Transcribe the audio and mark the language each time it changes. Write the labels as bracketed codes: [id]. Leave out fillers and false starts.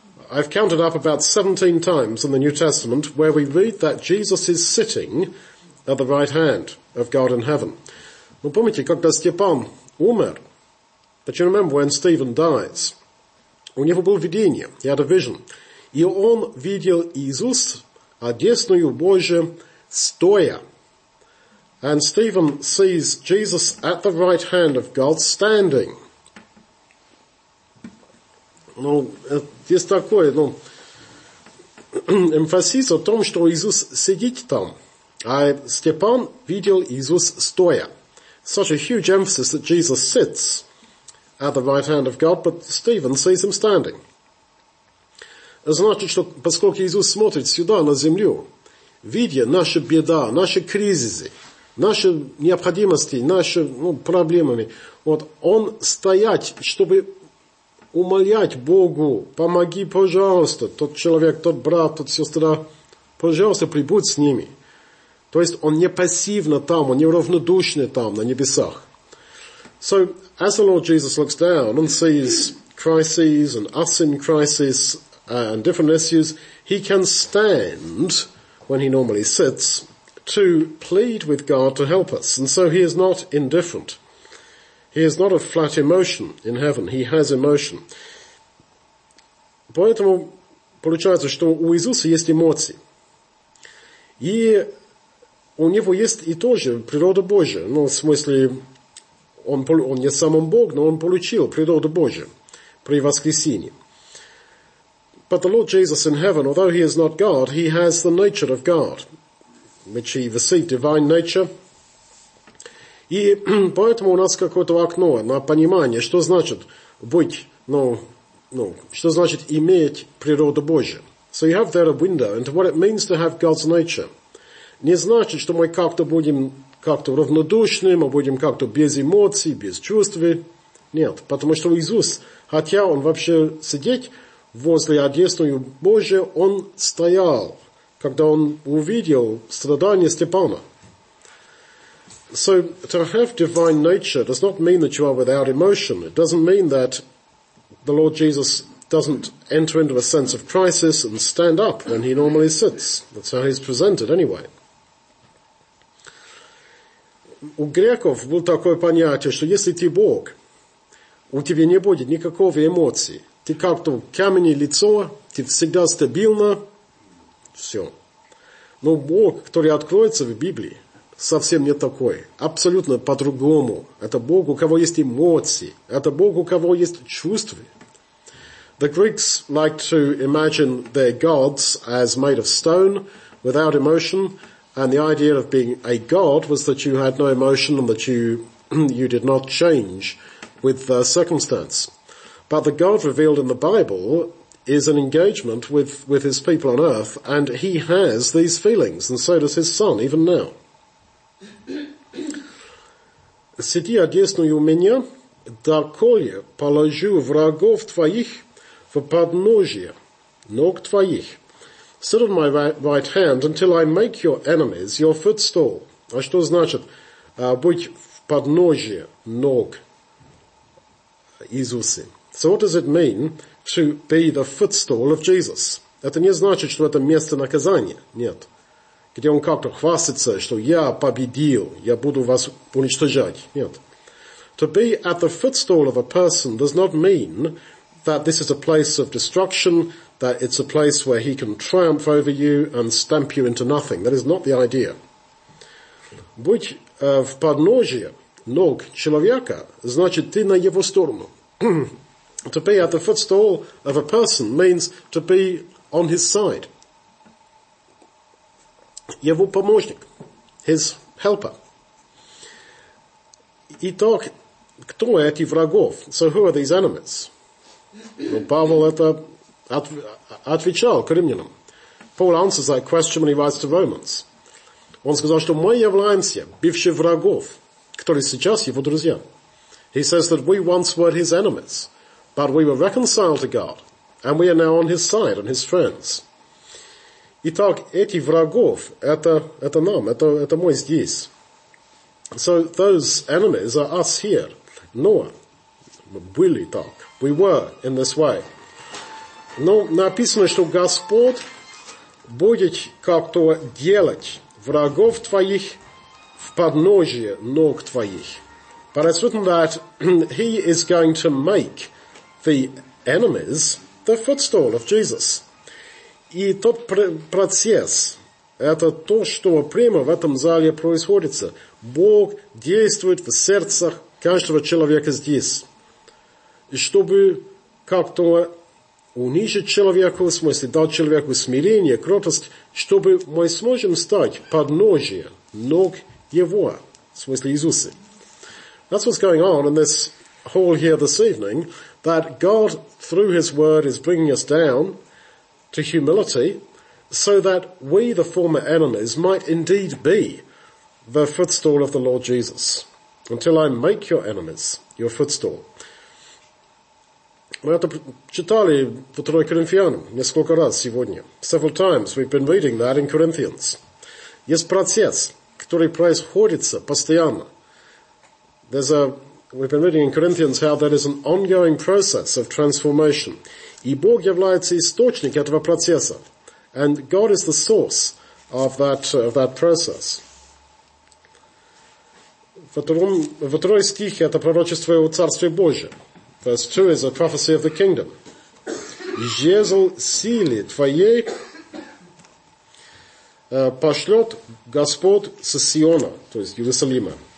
[en] I've counted up about 17 times in the New Testament where we read that Jesus is sitting at the right hand of God in heaven. [ru] Вы помните, когда Степан умер? [en] But you remember when Stephen dies? [ru] У него было видение, [en] he had a vision. [ru] И он видел Иисус, одесную Божию, стоя. [en] And Stephen sees Jesus at the right hand of God standing. [ru] Ну, есть такой, ну, эмфасис о том, что Иисус сидит там, а Степан видел Иисус стоя. [en] Such a huge emphasis that Jesus sits at the right hand of God, but Stephen sees him standing. [ru] Значит, что поскольку Иисус смотрит сюда, на землю, видя наши беда, наши кризисы, наши необходимости, наши, ну, проблемами, вот, он стоять, чтобы умолять Богу, помоги, пожалуйста, тот человек, тот брат, тот сестра, пожалуйста, прибудь с ними. То есть он не пассивно там, он не равнодушный там, на небесах. [en] So, as the Lord Jesus looks down and sees crises and us in crisis and different issues, he can stand, when he normally sits, to plead with God to help us. And so he is not indifferent. He is not a flat emotion in heaven. He has emotion. [ru] Поэтому получается, что у Иисуса есть эмоции. И у него есть и тоже природа Божия. Ну, в смысле, он не сам он Бог, но он получил природу Божию при воскресении. [en] But the Lord Jesus in heaven, although he is not God, he has the nature of God, which he received, divine nature. [ru] И поэтому у нас какое-то окно на понимание, что значит быть, ну, что значит иметь природу Божию. [en] So you have there a window into what it means to have God's nature. [ru] Не значит, что мы как-то будем как-то равнодушны, мы будем как-то без эмоций, без чувств. Нет, потому что Иисус, хотя он вообще сидеть возле одесную Божию, он стоял, когда он увидел страдания Степана. [en] So, to have divine nature does not mean that you are without emotion. It doesn't mean that the Lord Jesus doesn't enter into a sense of crisis and stand up when he normally sits. That's how he's presented anyway. [ru] У греков было такое понятие, что если ты Бог, у тебя не будет никакого эмоции. Ты как-то каменное лицо, ты всегда стабильно, все. Но Бог, который откроется в Библии, совсем не такой. Абсолютно по-другому. Это Бог, у кого есть эмоции. Это Бог, у кого есть чувства. [en] The Greeks like to imagine their gods as made of stone, without emotion. And the idea of being a god was that you had no emotion and that you did not change with the circumstance. But the God revealed in the Bible is an engagement with his people on earth, and he has these feelings, and so does his son, even now. [ru] Сиди одесную меня, доколе положу врагов твоих в подножие ног твоих. [en] Sit on my right hand until I make your enemies your footstool. [ru] А что значит быть в подножие ног Иисуса? [en] So what does it mean to be the footstool of Jesus? [ru] Это не значит, что это место наказания. Нет. Где он как-то хвастается, что я победил, я буду вас уничтожать. Нет. [en] To be at the footstool of a person does not mean that this is a place of destruction, that it's a place where he can triumph over you and stamp you into nothing. That is not the idea. [ru] Быть в подножии ног человека значит ты на его сторону. [en] To be at the footstool of a person means to be on his side. [ru] Его помощник, [en] his helper. [ru] Итак, кто эти врагов? [en] So who are these enemies? [ru] Well, Павел это отвечал римлянам. [en] Paul answers that question when he writes to Romans. [ru] Он сказал, что мы являемся бывшими врагов, которые сейчас его друзья. [en] He says that we once were his enemies, but we were reconciled to God, and we are now on his side and his friends. [ru] Итак, эти врагов, это нам, это мы здесь. [en] So those enemies are us here. Noah. [ru] Были так. [en] We were in this way. [ru] Но написано, что Господь будет как-то делать врагов твоих в подножие ног твоих. [en] But it's written that he is going to make the enemies the footstool of Jesus. [ru] И тот процесс, это то, что прямо в этом зале происходит. Бог действует в сердцах каждого человека здесь. И чтобы как-то унижить человека, в смысле дать человеку смирение, кротость, чтобы мы сможем стать подножие ног Его, в смысле Иисуса. [en] That's what's going on in this hall here this evening, that God, through his word, is bringing us down to humility so that we, the former enemies, might indeed be the footstool of the Lord Jesus. Until I make your enemies your footstool. [ru] Мы это читали в 2 Коринфянам несколько раз сегодня. [en] Several times we've been reading that in Corinthians. [ru] Есть процесс, который происходит постоянно. [en] We've been reading in Corinthians how there is an ongoing process of transformation. [ru] И Бог является источник этого процесса. [en] And God is the source of that process. [ru] В 2 стихе это пророчество о Царстве Божьем. [en] Verse 2 is a prophecy of the kingdom. [ru] Жезл силы твоей пошлет Господь со Сиона, то есть Иерусалима.